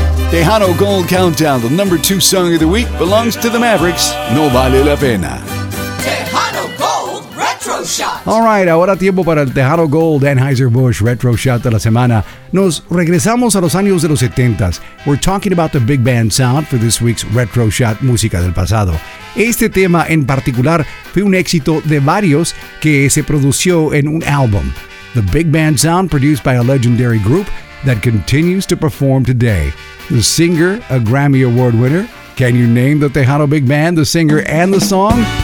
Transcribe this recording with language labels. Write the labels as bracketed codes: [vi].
[en] Tejano Gold Countdown, the number two song of the week, belongs to the Mavericks, No Vale La Pena. Tejano Gold Retro Shot. All right, [es] ahora tiempo para el Tejano Gold Anheuser-Busch Retro Shot de la semana. Nos regresamos a los años de los 70s. [en] We're talking about the big band sound for this week's Retro Shot, [es] música del pasado. Este tema en particular fue un éxito de varios que se produjo en un álbum. [en] The big band sound produced by a legendary group that continues to perform today. The singer, a Grammy Award winner. Can you name the Tejano Big Band, the singer, and the song?